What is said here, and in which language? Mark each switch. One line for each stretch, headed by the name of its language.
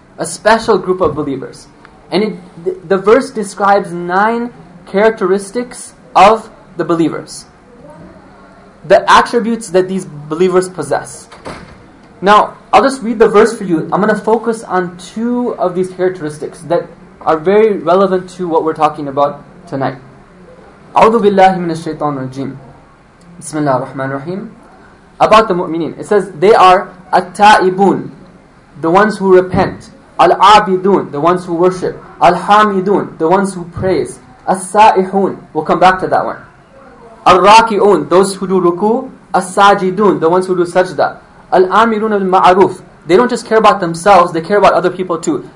English: A special group of believers. And the verse describes 9 characteristics of the believers. The attributes that these believers possess. Now, I'll just read the verse for you. I'm going to focus on 2 of these characteristics that are very relevant to what we're talking about tonight.
Arabic: أعوذ بالله من الشيطان الرجيم بسم الله الرحمن الرحيم.
English: About the mu'mineen, it says they are التائبون, the ones who repent. العابدون, the ones who worship. الحامدون, the ones who praise. السائحون, we'll come back to that one. الراكعون, those who do ruku. الساجدون, the ones who do sajda.
Arabic: الآمرون بالمعروف,
English: they don't just care about themselves, they care about other people too.